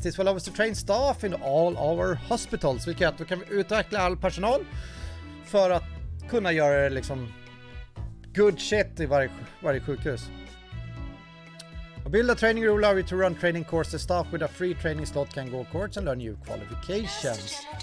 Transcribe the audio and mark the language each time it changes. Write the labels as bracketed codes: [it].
[en] This will allow us to train staff in all our hospitals. [sv] Vilket är att då kan vi utveckla all personal för att kunna göra liksom good shit i varje sjukhus. [en] Build a training rule allow you to run training courses. Staff with a free training slot can go courts and learn new qualifications.